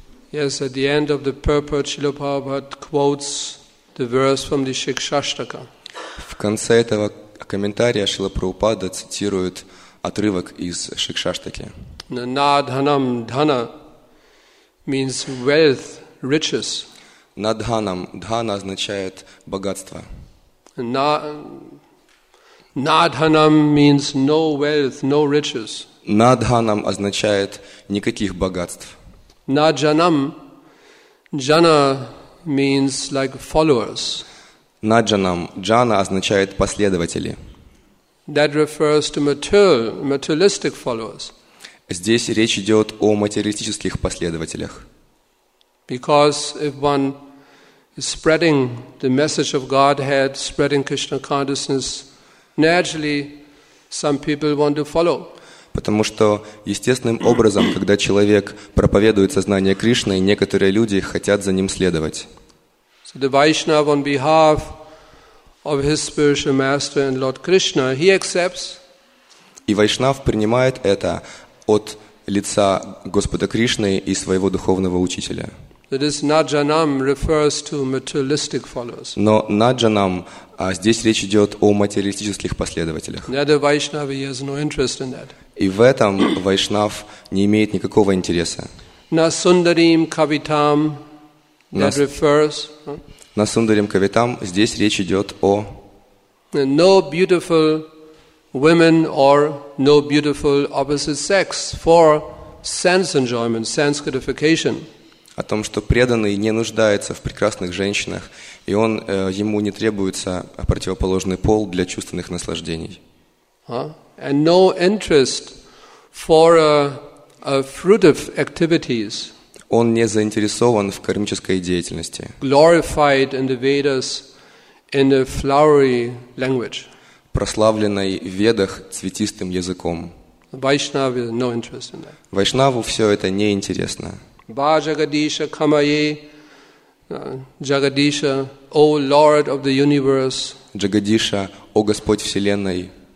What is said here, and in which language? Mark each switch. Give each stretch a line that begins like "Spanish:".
English: Yes, at the end of the purport, Srila Prabhupada quotes the verse from the Shikshashtaka.
Russian: В конце этого комментария Шрила Прабхупада цитирует отрывок из Шикшаштаки.
English: Надханам дхана means wealth, riches.
Russian: Надханам дхана означает богатство.
English: Надханам means no wealth, no riches.
Russian: Надханам означает никаких богатств.
English: Наджанам, джана means like followers.
Russian: Наджанам, джана означает последователи.
English: That refers to materialistic followers.
Russian: Здесь речь идет о материалистических последователях.
English: Because if one is spreading the message of Godhead, spreading Krishna consciousness, naturally Some people want to follow.
Russian: Потому что естественным образом, когда человек проповедует сознание Кришны, некоторые люди хотят за ним следовать.
English: So the Vaishnava on behalf of his spiritual master and Lord Krishna, he accepts.
Russian: И Вайшнав принимает это от лица Господа Кришны и своего духовного учителя.
English: That is, Наджанам refers to materialistic followers.
Russian: Но Наджанам, а здесь речь идет о материалистических последователях.
English: That the Vaishnava has no interest in that.
Russian: И в этом Вайшнав не имеет никакого интереса.
Sanskrit: Насундарим кавитам,
English: that refers.
Sanskrit: Насундарим кавитам,
Russian: здесь речь идет о.
English: No beautiful women or no beautiful opposite sex for sense enjoyment, sense gratification.
Russian: О том, что преданный не нуждается в прекрасных женщинах, и он ему не требуется противоположный пол для чувственных наслаждений.
English: And no interest for fruitive activities.
Russian: Он не заинтересован в кармической деятельности.
English: Glorified in the Vedas in a flowery language.
Russian: Прославленной в Ведах цветистым языком.
English: Vaishnava has no interest in that.
Russian: Вайшнаву все это не интересно.
Sanskrit: Bhajagadisha kamaye,
English: Jagadisha, O Lord of the Universe.
Russian: Jagadisha, O Господь Вселенной.